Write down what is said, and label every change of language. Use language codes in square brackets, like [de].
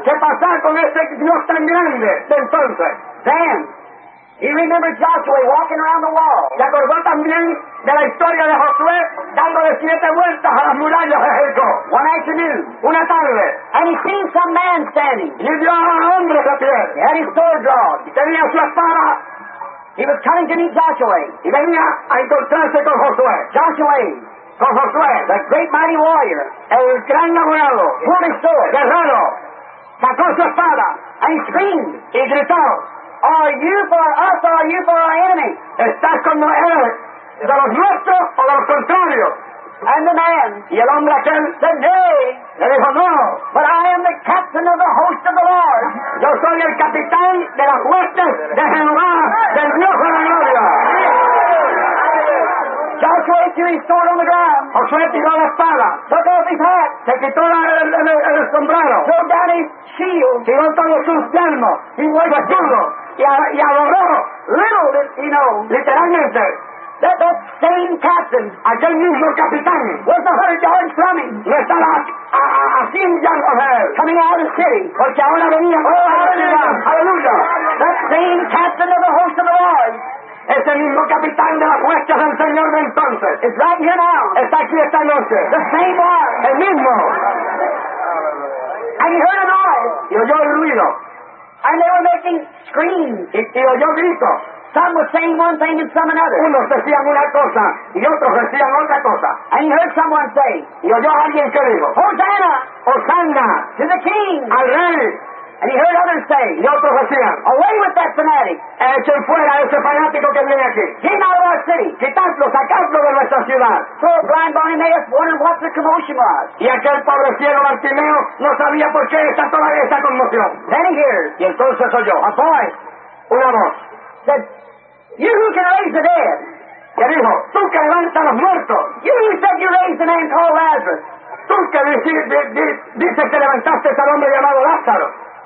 [es] ¿Qué pasó con ese Dios tan grande de entonces? [en] Then, he remembered Joshua walking around the wall. [es] ¿Se acordó también de la historia de Josué dándole siete vueltas a las murallas de Jericó? [en] One afternoon. [es] Una tarde. [en] And he seen some man standing. [es] Y vio a un hombre de pie. [en] He had his sword drawn. [es] Y tenía su espada. [en] He was coming to meet Joshua. [es] Y venía a encontrarse con Josué. [en] Joshua. [es] Con Josué. [en] The great mighty warrior. [es] El gran abogado. [en] Pulled his sword. [es] Guerrero. sacó su espada. [en] And screamed. [es] Y gritó. [en] Are you for us or are you for our enemy? [es] ¿Estás con nosotros, de los nuestros o de los contrarios? [en] And the man, [es] y el hombre aquel, [en] said, nay, [es] le dijo, no, [en] but I am the captain of the host of the Lord. [es] Yo soy el capitán de las huestes de Jehová, del Dios de la gloria. [en] Joshua threw his sword on the ground. [es] Josué tiró la espada. [en] Took off his hat. [es] Se quitó el sombrero. [en] Threw down his shield. [es] Tiró todos sus yelmos. [en] He was [es] escudo. Y adoró. [en] Little did he know. [es] Literalmente. [en] That same captain, [es] aquel mismo capitán, [en] was 100 yards from him. [es] Le estaba a 100 yardas de él. [en] Coming out of the city. [es] Porque ahora venía. [en] Oh, hallelujah. [es] Hallelujah. [en] That same captain of the host of the Lord. [es] Ese mismo capitán de las huestes del Señor de entonces. [en] It's right here now. [es] Está aquí esta noche. [en] The same one. [es] El mismo. [en] And he heard a noise. [es] Y oyó el ruido. [en] And they were making screams. [es] Y oyó gritos. [en] Some were saying one thing and some another. [es] Unos decían una cosa y otros decían otra cosa. [en] And he heard someone say, [es] y oyó alguien que dijo, [en] Hosanna! [es] Hosanna! [en] To the king! [es] Al rey! [en] And he heard others say, [es] y otros decían, [en] away with that fanatic! [es] Echen fuera ese fanático que viene aquí. [en] Get out of our city! [es] Quitadlo, sacadlo de nuestra ciudad. [en] So blind Bartimaeus wondered what the commotion was. [es] Y aquel pobre ciego Bartimeo no sabía por qué está toda esa conmoción. [en] Then he hears, [es] y entonces oyó, [en] a boy, [es] una voz, [en] said, you who can raise the dead. [es] Que dijo, tú que levantas los muertos. [en] You who said you raised the man called Lazarus. [es] Tú que dices que levantaste al hombre llamado Lázaro.